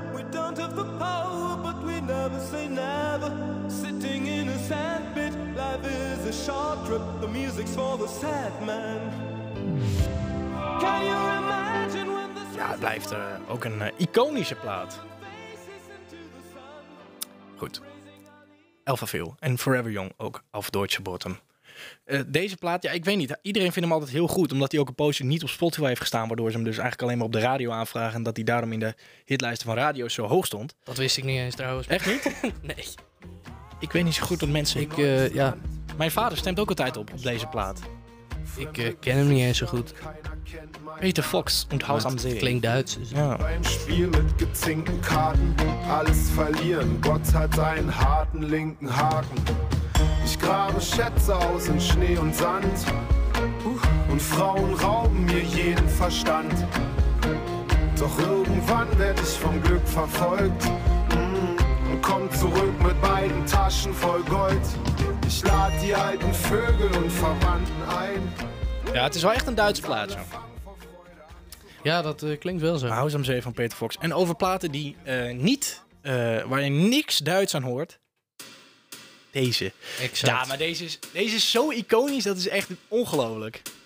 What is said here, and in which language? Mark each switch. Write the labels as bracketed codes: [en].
[en] We don't have the power, but we never say never. Sitting in a sandpit, life is a short trip. The music's for the sad man. Can you imagine when the... [nl] Ja, het blijft ook een iconische plaat. Goed. Elfenveel en Forever Young ook auf Deutsche Bottom. Deze plaat, ja, ik weet niet. Iedereen vindt hem altijd heel goed, omdat hij ook een poosje niet op Spotify heeft gestaan, waardoor ze hem dus eigenlijk alleen maar op de radio aanvragen en dat hij daarom in de hitlijsten van radio's zo hoog stond. Dat wist ik niet eens trouwens. Echt niet? Nee. Ik weet niet zo goed wat mensen... Ik, mijn vader stemt ook altijd op deze plaat. Ik ken hem niet eens zo goed. Peter Fox, onthoud am See. Klinkt Duits. Dus ja. [de] Beim Spiel mit gezinkten Karten, alles verlieren. Gott hat einen harten linken Haken. Ich grabe Schätze aus in Schnee und Sand. Und Frauen rauben mir jeden Verstand. Doch irgendwann werd ich vom Glück verfolgt. Und komm zurück mit beiden Taschen voll Gold. Ich lad die alten Vögel und Verwandten ein. [nl] Ja, het is wel echt een Duitse plaat, zo. Ja, dat klinkt wel zo. Haus am See van Peter Fox. En over platen die waar je niks Duits aan hoort. Deze. Exact. Ja, maar deze is zo iconisch, dat is echt ongelooflijk.